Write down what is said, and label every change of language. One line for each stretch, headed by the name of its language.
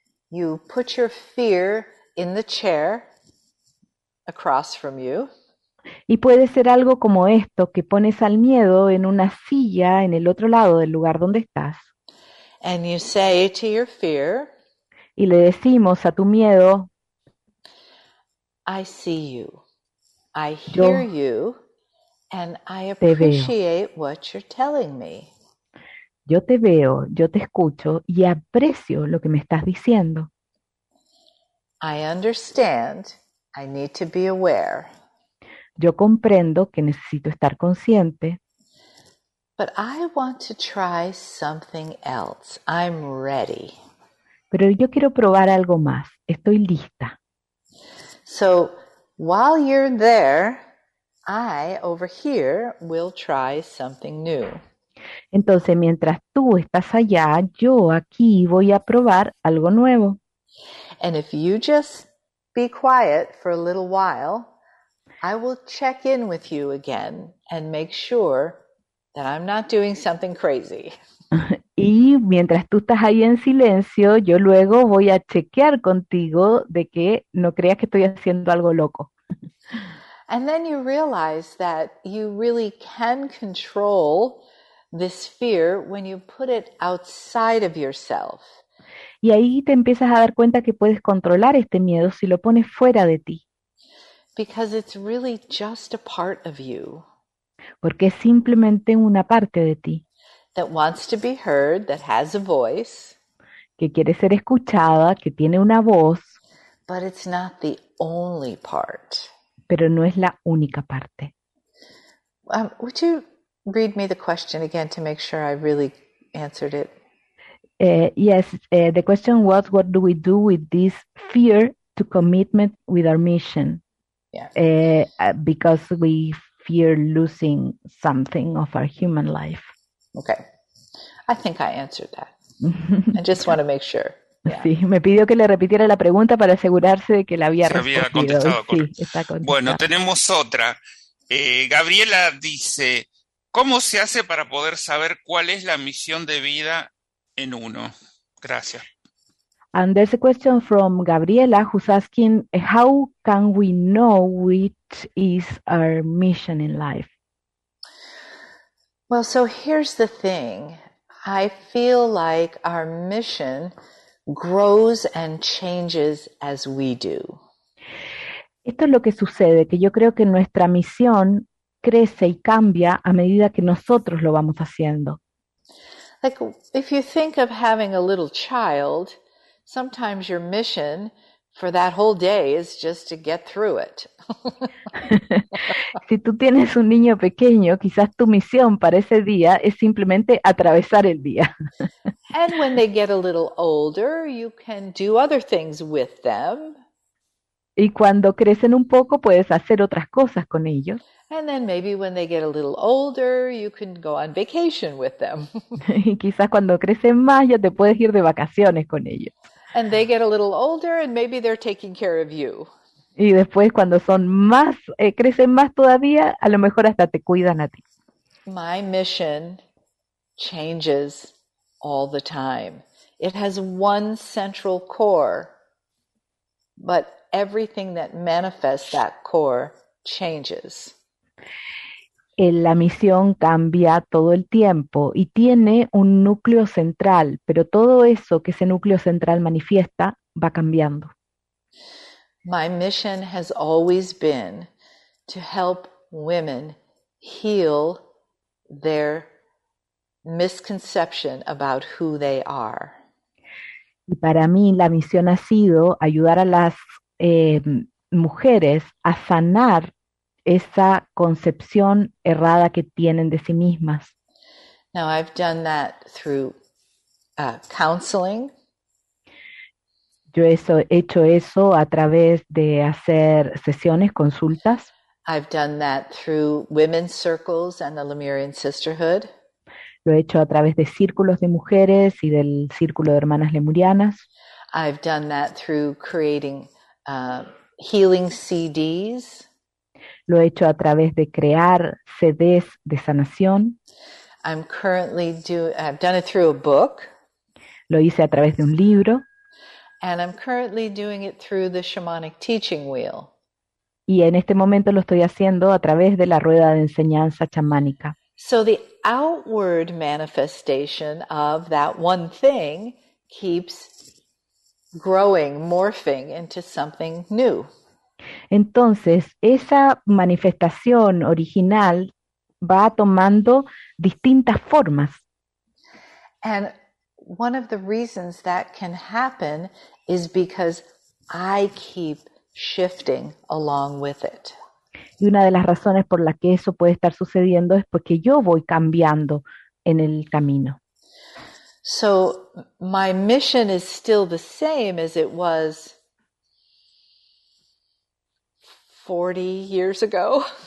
English: You put your fear in the chair across from you.
Spanish: Y puede ser algo como esto, que pones al miedo en una silla en el otro lado del lugar donde estás.
English: And you say to your fear,
Spanish: y le decimos a tu miedo,
English: I see you, I hear you, and I appreciate what you're telling me.
Spanish: Yo te veo, yo te escucho y aprecio lo que me estás diciendo.
English: I understand, I need to be aware.
Spanish: Yo comprendo que necesito estar consciente.
English: But I want to try something else. I'm ready.
Spanish: Pero yo quiero probar algo más. Estoy lista.
English: So, while you're there, I, over here, will try something new.
Spanish: Entonces, mientras tú estás allá, yo aquí voy a probar algo nuevo.
English: And if you just be quiet for a little while, I will check in with you again and make sure that I'm not doing something crazy.
Spanish: Y mientras tú estás ahí en silencio, yo luego voy a chequear contigo de que no creas que estoy haciendo algo loco.
English: And then you realize that you really can control this fear when you put it outside of yourself.
Spanish: Y ahí te empiezas a dar cuenta que puedes controlar este miedo si lo pones fuera de ti.
English: Because it's really just a part of you.
Spanish: Porque es simplemente una parte de ti.
English: That wants to be heard, that has a voice.
Spanish: Que quiere ser escuchada, que tiene una voz.
English: But it's not the only part.
Spanish: Pero no es la única parte.
English: Would you read me the question again to make sure I really answered it? The question was, what do we do with this fear to commitment with our mission? Yeah. Because we fear losing something of our human life. Okay. I think I answered that. I just want to make sure. Yeah.
Spanish: Sí, me pidió que le repitiera la pregunta para asegurarse de que la había respondido. Se había contestado. Sí, está contestado. Bueno, tenemos otra. Gabriela dice, ¿cómo se hace para poder saber cuál es la misión de vida en uno? Gracias.
English: And there's a question from Gabriela who's asking, how can we know which is our mission in life? Well, so here's the thing. I feel like our mission grows and changes as we do.
Spanish: Esto es lo que sucede, que yo creo que nuestra misión crece y cambia a medida que nosotros lo vamos haciendo.
English: Like, if you think of having a little child, sometimes your mission for that whole day is just to get through it.
Spanish: Si tú tienes un niño pequeño, quizás tu misión para ese día es simplemente atravesar el día.
English: And when they get a little older, you can do other things with them.
Spanish: Y cuando crecen un poco, puedes hacer otras cosas con ellos.
English: And then maybe when they get a little older, you can go on vacation with them.
Spanish: Y quizás cuando crecen más, ya te puedes ir de vacaciones con ellos.
English: And they get a little older and maybe they're taking care of you.
Spanish: Y después cuando son más, crecen más todavía, a lo mejor hasta te cuidan a ti.
English: My mission changes all the time. It has one central core, but everything that manifests that core changes.
Spanish: La misión cambia todo el tiempo y tiene un núcleo central, pero todo eso que ese núcleo central manifiesta va cambiando.
English: My mission has always been to help women heal their misconception about who they are.
Spanish: Y para mí la misión ha sido ayudar a las mujeres a sanar esa concepción errada que tienen de sí mismas.
English: Now I've done that through counseling.
Spanish: Yo he hecho eso a través de hacer sesiones, consultas.
English: I've done that through women's circles and the Lemurian Sisterhood.
Spanish: Lo he hecho a través de círculos de mujeres y del círculo de hermanas lemurianas.
English: I've done that through creating healing CDs.
Spanish: Lo he hecho a través de crear CDs de sanación.
English: I've done it through a book.
Spanish: Lo hice a través de un libro.
English: And I'm currently doing it through the shamanic teaching wheel.
Spanish: Y en este momento lo estoy haciendo a través de la rueda de enseñanza chamánica.
English: So the outward manifestation of that one thing keeps growing, morphing into something new.
Spanish: Entonces, esa manifestación original va tomando distintas formas.
English: And one of the reasons that can happen is because I keep shifting along with it.
Spanish: Y una de las razones por la que eso puede estar sucediendo es porque yo voy cambiando en el camino.
English: So my mission is still the same as it was 40 years ago.